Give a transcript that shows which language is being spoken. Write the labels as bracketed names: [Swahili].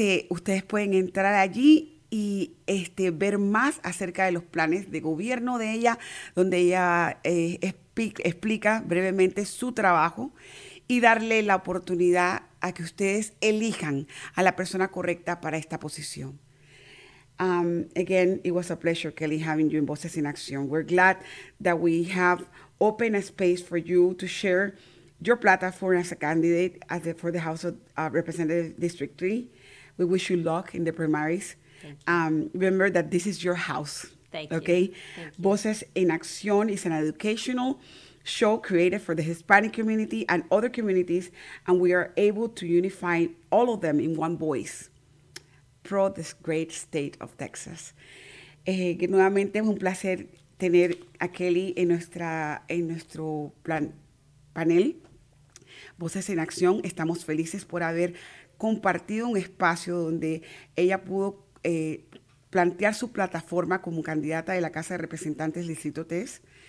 [Spanish] Ustedes pueden entrar allí y ver más acerca de los planes de gobierno de ella, donde ella explica brevemente su trabajo. Y darle la oportunidad a que ustedes elijan a la persona correcta para esta posición. [English] Again, it was a pleasure, Kelly, having you in Voces in Action. We're glad that we have opened a space for you to share your platform as a candidate for the House of Representatives District 3. We wish you luck in the primaries. Remember that this is your house. Thank you. Voces in Action is an educational show created for the Hispanic community and other communities, and we are able to unify all of them in one voice pro this great state of Texas. [Spanish] Nuevamente es un placer tener a Kelly en nuestro panel Voces en Acción. Estamos felices por haber compartido un espacio donde ella pudo plantear su plataforma como candidata de la Casa de Representantes del Distrito 3.